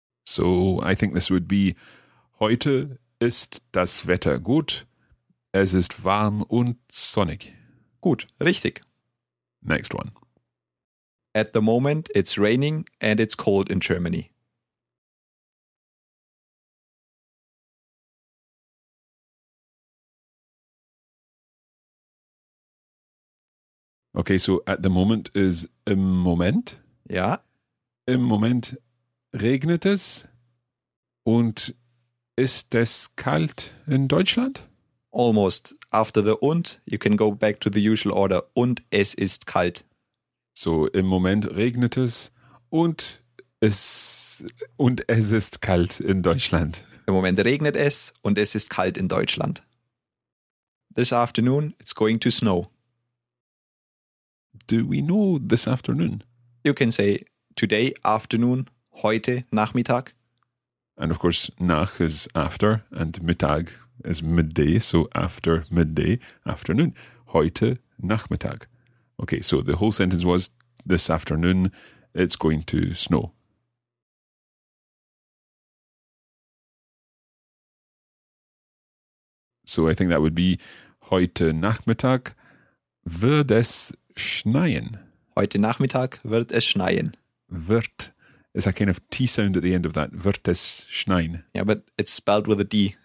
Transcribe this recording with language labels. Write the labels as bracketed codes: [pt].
[de] So I think this would be heute ist das Wetter gut, es ist warm und sonnig. Gut, richtig. [en] Next one. At the moment it's raining and it's cold in Germany. Okay, so at the moment is im Moment. [de] Ja. Im Moment regnet es und ist es kalt in Deutschland? [en] Almost. After the und, you can go back to the usual order. [de] Und es ist kalt. So, im Moment regnet es und es ist kalt in Deutschland. Im Moment regnet es und es ist kalt in Deutschland. [en] This afternoon, it's going to snow. Do we know this afternoon? You can say today, afternoon, heute, Nachmittag. And of course, nach is after, and Mittag is midday, so after midday, afternoon. Heute Nachmittag. Okay, so the whole sentence was, this afternoon it's going to snow. So I think that would be, heute Nachmittag wird es schneien. [de] Heute Nachmittag wird es schneien. Wird. [en] It's a kind of T sound at the end of that. [de] Wird es schneien. [en] Yeah, but it's spelled with a D.